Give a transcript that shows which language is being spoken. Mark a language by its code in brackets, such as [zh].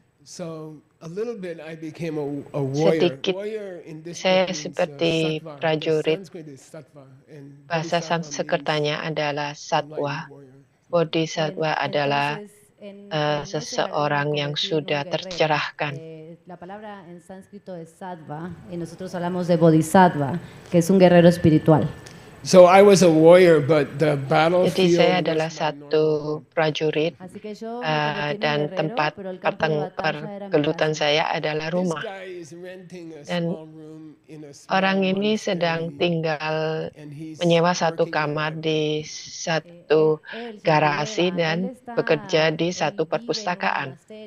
[en] So a little bit, I became a warrior. [id] Sedikit, saya seperti prajurit. Bahasa Sanskertanya adalah satwa. Bodhisatwa adalah seseorang yang sudah tercerahkan. [es] La palabra en sánscrito es sattva y nosotros hablamos de bodhisattva, que es un guerrero espiritual. [en] So I was a warrior, but the battlefield. [id] Jadi saya adalah satu prajurit dan tempat pergelutan saya adalah rumah. Dan orang ini sedang tinggal menyewa satu kamar di satu garasi dan bekerja di satu perpustakaan.